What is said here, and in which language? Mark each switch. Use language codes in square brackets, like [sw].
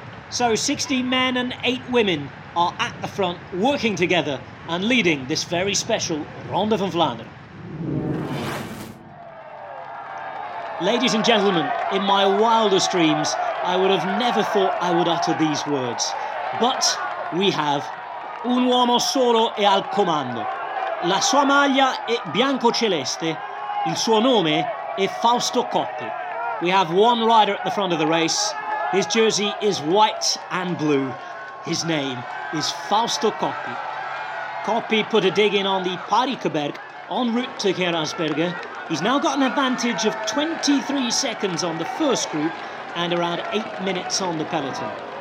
[en] So 16 men and 8 women are at the front, working together and leading this very special Ronde van Vlaanderen. Ladies and gentlemen, in my wildest dreams, I would have never thought I would utter these words. But we have [it] un uomo solo e al comando. La sua maglia è bianco-celeste. Il suo nome è Fausto Coppi. [en] We have one rider at the front of the race. His jersey is white and blue. His name is Fausto Coppi. Coppi put a dig in on the Parikeberg en route to Gerasberger. He's now got an advantage of 23 seconds on the first group and around 8 minutes on the peloton.